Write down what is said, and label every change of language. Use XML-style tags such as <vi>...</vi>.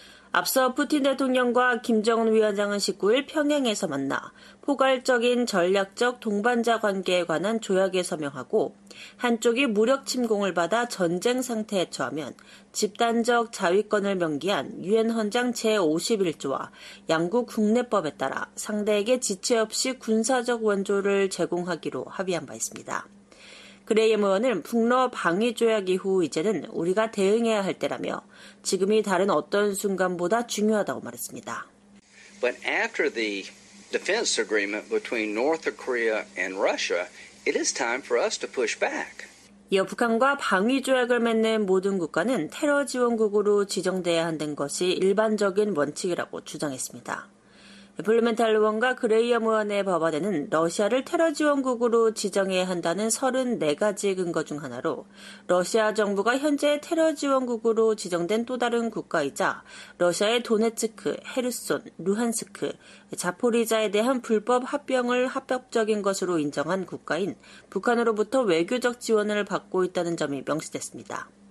<ko>앞서 푸틴 대통령과 김정은 위원장은 19일 평양에서 만나 포괄적인 전략적 동반자 관계에 관한 조약에 서명하고 한쪽이 무력 침공을 받아 전쟁 상태에 처하면 집단적 자위권을 명기한 유엔 헌장 제51조와 양국 국내법에 따라 상대에게 지체 없이 군사적 원조를 제공하기로 합의한 바 있습니다. 그레이엄 의원은 북러 방위조약 이후 이제는 우리가 대응해야 할 때라며 지금이 다른 어떤 순간보다 중요하다고 말했습니다.</ko> <en>But after the defense agreement between North Korea and Russia, it is time for us to push back.</en> <ko>이어 북한과 방위조약을 맺는 모든 국가는 테러 지원국으로 지정돼야 한다는 것이 일반적인 원칙이라고 주장했습니다. 블루멘탈 의원과 그레이엄 의원의 법안에는 러시아를 테러 지원국으로 지정해야 한다는 34가지 근거 중 하나로 러시아 정부가 현재 테러 지원국으로 지정된 또 다른 국가이자 러시아의 도네츠크, 헤르손, 루한스크, 자포리자에 대한 불법 합병을 합법적인 것으로 인정한 국가인 북한으로부터 외교적 지원을 받고 있다는 점이 명시됐습니다.</ko>